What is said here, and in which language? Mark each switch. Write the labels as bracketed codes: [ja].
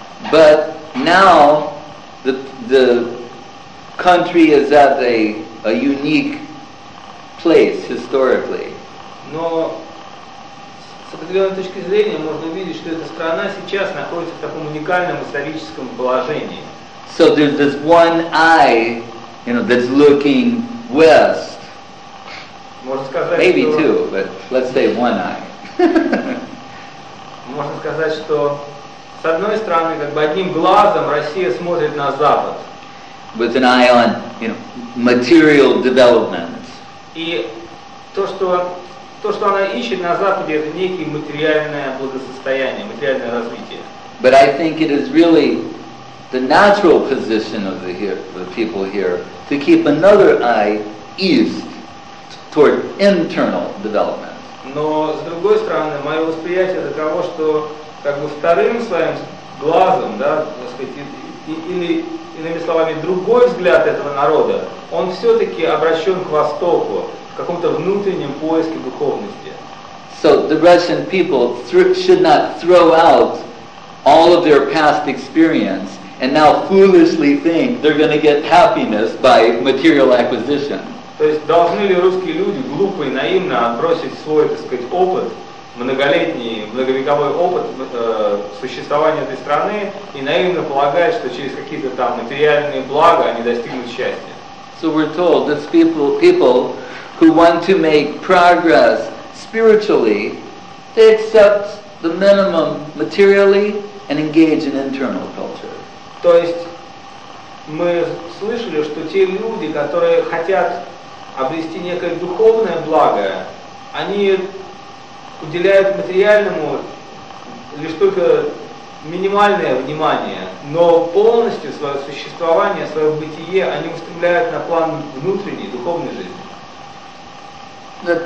[en] But now the country is at a unique place historically. [ru] Но с определенной точки зрения можно увидеть, что эта страна сейчас находится в таком уникальном историческом положении. [en] So there's this one eye, you know, that's looking west. [ru] Можно сказать, [en] maybe [ru] что [en] two, but let's say one eye. [ru] Можно сказать, что с одной стороны, как бы одним глазом Россия смотрит на Запад. [en] With an eye on, you know, material development. [ru] И то, что она ищет на Западе, это некое материальное благосостояние, материальное развитие. [en] But I think it is really the natural position of the people here to keep another eye east toward internal development. [ru] Но с другой стороны, мое восприятие таково, что как бы вторым своим глазом, да, так сказать, или иными словами, другой взгляд этого народа, он все-таки обращен к востоку, в каком-то внутреннем поиске духовности. [en] So the Russian people should not throw out all of their past experience and now foolishly think they're going to get happiness by material acquisition. [ru] То есть должны ли русские люди глупо и наивно отбросить свой, так сказать, опыт, многолетний, многовековой опыт существования этой страны и наивно полагать, что через какие-то там материальные блага они достигнут счастья? [en] So we're told that people who want to make progress spiritually, they accept the minimum materially and engage in internal culture. [ru] То есть мы слышали, что те люди, которые хотят обрести некое духовное благо, они уделяют материальному лишь только минимальное внимание, но полностью свое существование, свое бытие они устремляют на план внутренней, духовной жизни.